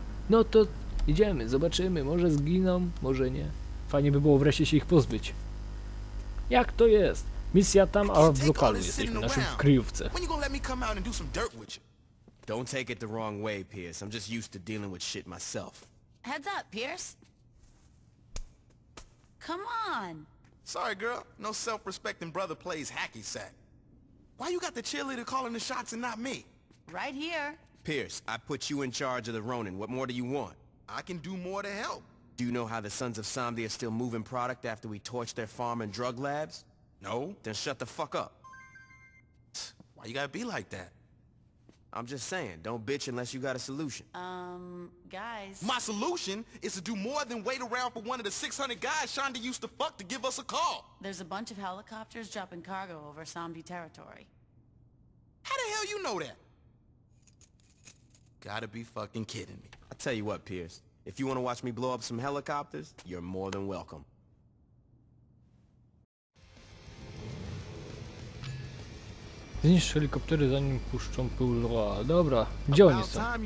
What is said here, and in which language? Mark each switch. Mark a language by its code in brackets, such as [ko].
[pl] No to idziemy, zobaczymy, może zginą, może nie, fajnie by było wreszcie się ich pozbyć. Jak to jest? Misja tam, a w lokalu jesteśmy, w naszym kryjówce. [en] When you gonna let me come out and do some dirt with you? Don't take it the wrong way, Pierce. I'm just used to dealing with shit myself. Heads up, Pierce. Come on. Sorry, girl. No self-respecting brother plays hacky sack. Why you got the cheerleader calling the shots and not me? Right here. Pierce, I put you in charge of the Ronin. What more do you want? I can do more to help. Do you know how the Sons of Somdia are still moving product after we torched their farm and drug labs? No. Then shut the fuck up. Why you gotta be like that? I'm just saying, don't bitch unless you got a solution. Guys... My solution is to do more than wait around for one of the 600 guys Shonda used to fuck to give us a call. There's a bunch of helicopters dropping cargo over Somdia territory. How the hell you know that? Gotta be fucking kidding me. I tell you what, Pierce. If you want to watch me blow up some helicopters, you're more than welcome. [pl] Zniszcz helikoptery zanim puszczą pył loa. Dobra, gdzie oni są?